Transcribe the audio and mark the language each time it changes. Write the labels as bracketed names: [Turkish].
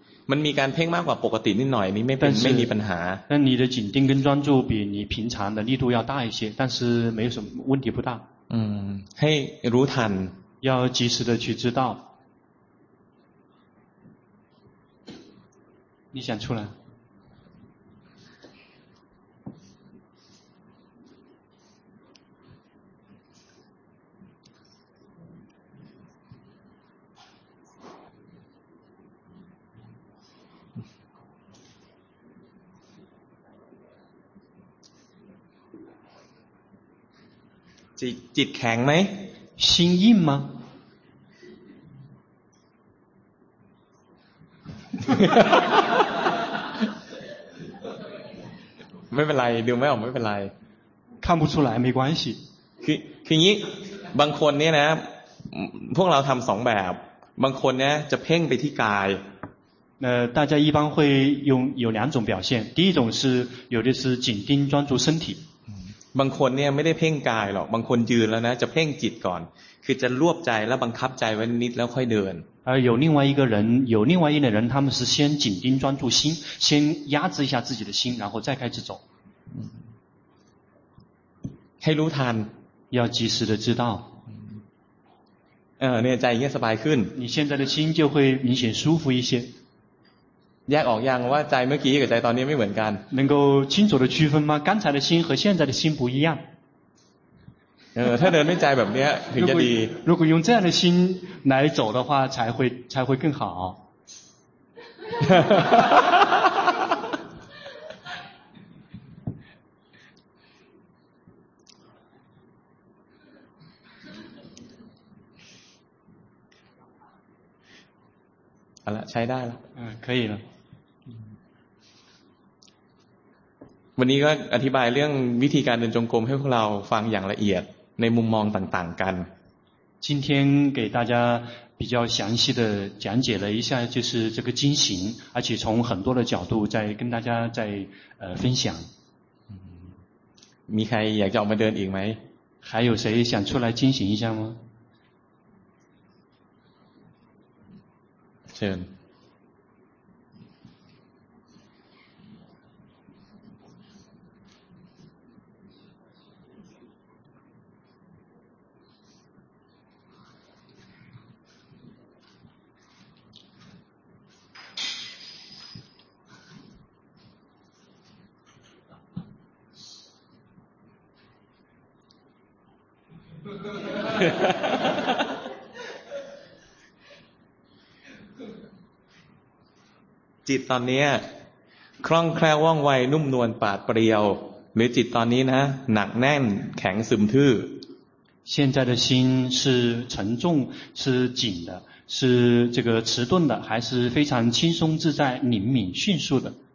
[Thai] มันมีการเพ่งมากกว่าปกตินิดหน่อยนี่ไม่เป็นไม่มีปัญหา [Chinese] 那你的紧盯跟专注比你平常的力度要大一些但是没有什么问题不大 [Thai] ให้รู้ทัน [Chinese] 要及时的去知道你想出来 [Thai] จิตแข็งไหม [Chinese] 心硬吗 [Thai] ไม่เป็นไรดูไม่ออกไม่เป็นไร [Chinese] 看不出来没关系 [Thai] คืออย่างนี้บางคนเนี่ยนะพวกเราทำสองแบบบางคนเนี่ยจะเพ่งไปที่กาย [Chinese] 大家一般会用有两种表现第一种是有的是紧盯专注身体 [Thai] บางคนเนี่ยไม่ได้เพ่งกายหรอกบางคนยืนแล้วนะจะเพ่งจิตก่อนคือจะรวบใจแล้วบังคับใจไว้นิดแล้วค่อยเดิน [Chinese] 有另外一个人有另外一类人他们是先紧盯专注心先压制一下自己的心然后再开始走 [Thai] ให้รู้ทัน [Chinese] 要及时的知道 [Thai] เนี่ยใจเงี้ยสบายขึ้น [Chinese] 你现在的心就会明显舒服一些 [Thai] แยกออกยังว่าใจเมื่อกี้กับใจตอนนี้ไม่เหมือนกัน [Chinese] 能够清楚的区分吗刚才的心和现在的心不一样 [Thai] ถ้าเดินด้วยใจแบบนี้ถึงจะดี [Chinese] 如果用这样的心来走的话才会更好好了 [Thai] ใช้ได้แล้ว [Chinese] 可以了 [Thai] วันนี้ก็อธิบายเรื่องวิธีการเดินจงกรมให้พวกเราฟังอย่างละเอียดในมุมมองต่างๆกัน [Chinese] 今天给大家比较详细的讲解了一下就是这个经行而且从很多的角度再跟大家再分享 [Thai] มีใครอยากจะออกมาเดินอีกไหม [Chinese] 还有谁想出来经行一下吗 [Thai] เชิญ จิตตอนนี้คล่องแคล่วว่องไวนุ่มนวลปราดเปรียว หรือจิตตอนนี้นะหนักแน่นแข็งซึมทื่อ [Chinese] 现在的心是沉重是紧的是这个迟钝的还是非常轻松自在灵敏迅速的